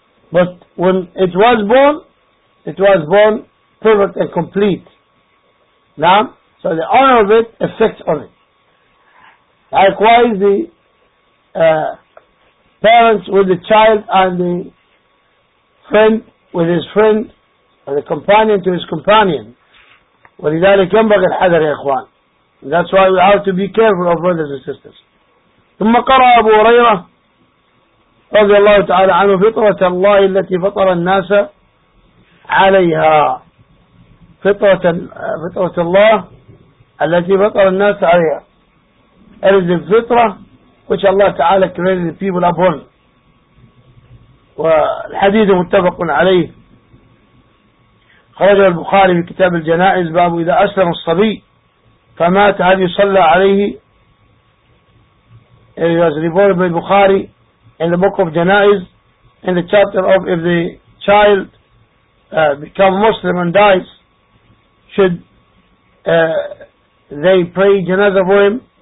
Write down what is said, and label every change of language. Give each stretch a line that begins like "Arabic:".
English: But when it was born, perfect and complete. Now, so the honor of it affects on it. Likewise, the parents with the child and the friend with his friend, or the companion to his companion.
Arabic: ولذلك ينبغى الحذر يا إخوان.
English: That's why we have to be careful of brothers and sisters.
Arabic: ثم قرأ أبو هريرة رضي الله تعالى عنه فطرة الله التي فطر الناس عليها، فطرة الله التي فطر الناس عليها.
English: It is the فطرة which Allah تعالى created the people upon.
Arabic: والحديث متفق عليه، خرج البخاري في كتاب الجنائز باب إذا أسلم الصبي فمات هل يصلى عليه.
English: It was reported by Bukhari in the book of Janaiz, in the chapter of if the child become Muslim and dies, should they pray janazah for him?